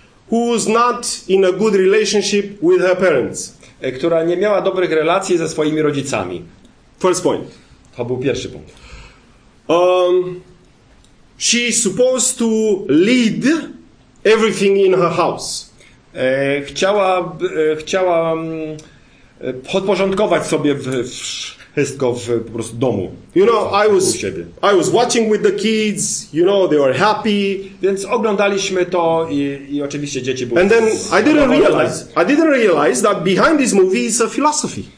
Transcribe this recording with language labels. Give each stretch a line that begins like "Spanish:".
English: Who's not in a good relationship with her parents.
Polish: Która nie miała dobrych relacji ze swoimi rodzicami.
English: First point.
Polish: To był pierwszy punkt.
English: She's supposed to lead everything in her house.
Polish: Chciała podporządkować sobie wszystko w po prostu domu.
English: You know, I was watching with the kids, you know, they were happy.
Polish: Więc oglądaliśmy to i oczywiście dzieci były.
English: And then I didn't realize that behind this movie is a philosophy.